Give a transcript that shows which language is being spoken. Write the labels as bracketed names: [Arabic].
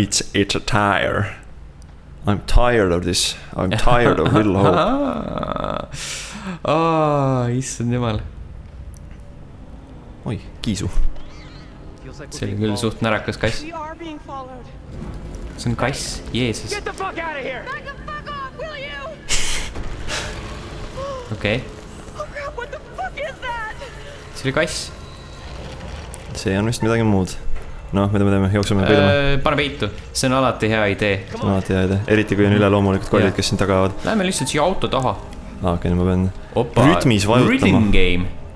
[English] It's a tire. I'm tired of this. I'm tired of little hope. [Estonian] Oh, issand jumal. Oi, kiisu. See oli küll suht närakas kass. See on kass, Jeesus. [English] Get the fuck out of here! Back the fuck off, will you? Okei. Oh crap, what the fuck is that? [Estonian] See oli kass. See on vist midagi muud. Noh, mida me teeme, jooksume ja püüdame. Pane peitu, see on alati hea idee. See on alati hea idee, eriti kui on üle loomulikud kollid, kes siin tagavad. Läheme lihtsalt siia auto taha. Okei, nüüd ma pean rütmis vajutama. [English] Opa, rhythm game.